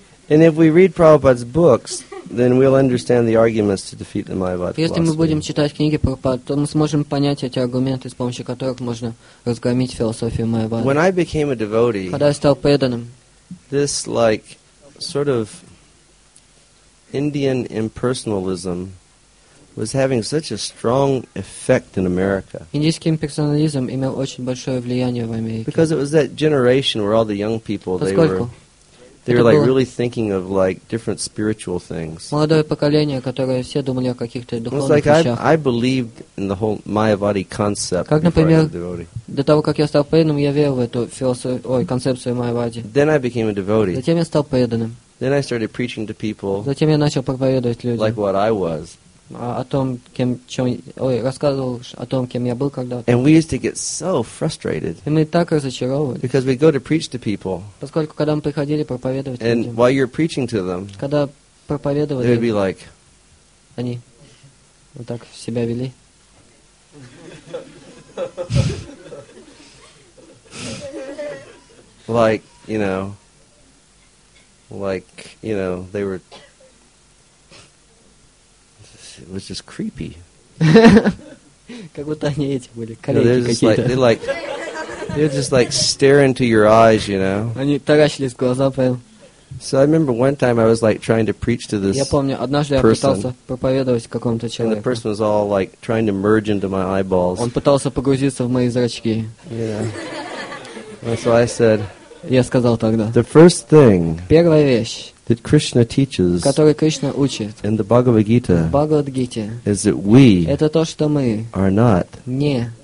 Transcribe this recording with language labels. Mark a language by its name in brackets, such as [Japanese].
[English] And if we read Prabhupada's books, then we'll understand the arguments to defeat the Mayavada philosophy. [Russian] Если мы будем читать книги Прабхупады, то мы сможем понять эти аргументы, с помощью которых можно разгромить философию Майявады. [English] When I became a devotee, [Russian] когда я стал преданным, [English] this like sort of Indian impersonalism was having such a strong effect in America. [Russian] Индийский имперсонализм имел очень большое влияние в Америке. [English] Because it was that generation where all the young people they were like really thinking of like different spiritual things. [Russian] Молодое поколение, которое все думали о каких-то духовных вещах. [English] It was like I believed in the whole Mayavadi concept. [Russian] Как, например, [English] before I was a devotee. [Russian] До того, как я стал преданным, я верил в эту концепцию Майявади. [English] Then I became a devotee. [Russian] Затем я стал преданным. [English] Then I started preaching to people. [Russian] Затем я начал проповедовать людям. [English] Like what I was. [Russian] Рассказывал о том, кем я был когда-то. [English] And we used to get so frustrated. [Russian] И мы так разочаровывались. [English] Because we go to preach to people. [Russian] Поскольку когда мы приходили проповедовать людям. [English] And while you're preaching to them. [Russian] Когда проповедовали. [English] They'd be like. [Russian] Они вот так себя вели. [English] Like, you know, they were. It was just creepy. [Russian] Как будто они эти были, коллеги какие-то. [English] They're just like staring into your eyes, you know. [Russian] Они таращились в глаза, понял? [English] So I remember one time I was like trying to preach to this. [Russian] Я помню, однажды я пытался проповедовать какому-то человеку. [English] And the person was all like trying to merge into my eyeballs. [Russian] Он пытался погрузиться в мои зрачки. [English] Yeah. So I said. [Russian] Я сказал тогда. [English] The first thing. [Russian] Первая вещь. [English] That Krishna teaches, [Russian] который Кришна учит, [English] in the Bhagavad Gita, [Russian] в Бхагавад-гите, [English] is that we, [Russian] это то, что мы, [English] are not, [Russian] не,